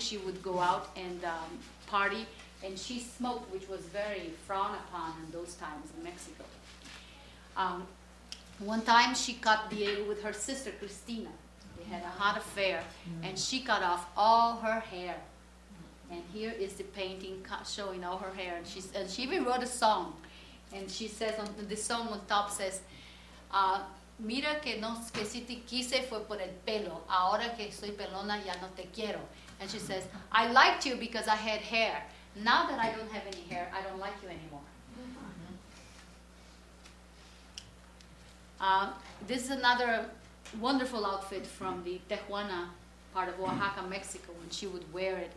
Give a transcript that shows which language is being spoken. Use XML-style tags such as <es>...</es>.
<en>She would go out and party. And she smoked, which was very frowned upon in those times in Mexico. One time she caught Diego with her sister, Cristina. They had a hot affair. And she cut off all her hair. And here is the painting showing all her hair. And she even wrote a song. And she says, the song on top says,</en> <es>mira que no que si te quise fue por el pelo. Ahora que soy pelona ya no te quiero.</es> <en>And she says, I liked you because I had hair. Now that I don't have any hair, I don't like you anymore. Mm-hmm. This is another wonderful outfit from the Tijuana part of Oaxaca, Mexico, when she would wear it.</en>